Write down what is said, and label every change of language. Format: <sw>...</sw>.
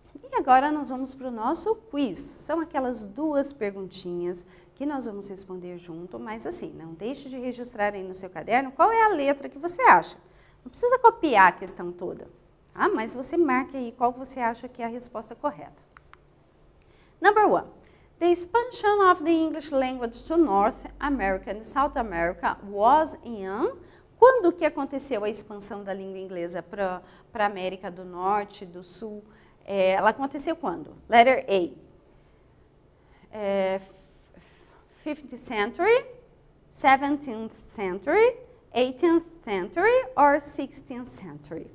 <pt>E agora nós vamos para o nosso quiz. São aquelas duas perguntinhas que nós vamos responder junto, mas assim, não deixe de registrar aí no seu caderno qual é a letra que você acha. Não precisa copiar a questão toda, tá? Mas você marque aí qual você acha que é a resposta correta.</pt> <en>Number one. The expansion of the English language to North America and South America was in...</en> <pt>Quando que aconteceu a expansão da língua inglesa para a América do Norte, do Sul? É, ela aconteceu quando?</pt> <en>Letter A. 15th century, 17th century, 18th century or 16th century?</en>